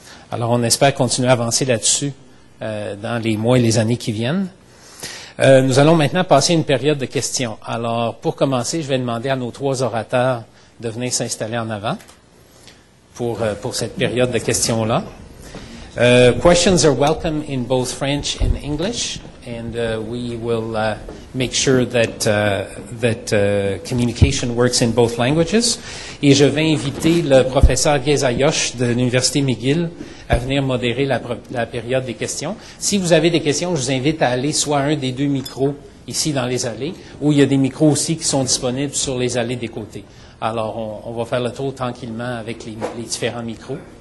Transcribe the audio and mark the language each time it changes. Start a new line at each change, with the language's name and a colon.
French: Alors, on espère continuer à avancer là-dessus dans les mois et les années qui viennent. Nous allons maintenant passer une période de questions. Alors, pour commencer, je vais demander à nos trois orateurs de venir s'installer en avant pour cette période de questions-là.
English: Questions are welcome in both French and English, and we will make sure that communication works in both languages.
French: Et je vais inviter le professeur Geza Yosh de l'Université McGill à venir modérer la période des questions. Si vous avez des questions, je vous invite à aller soit à un des deux micros ici dans les allées, ou il y a des micros aussi qui sont disponibles sur les allées des côtés. Alors, on va faire le tour tranquillement avec les différents micros.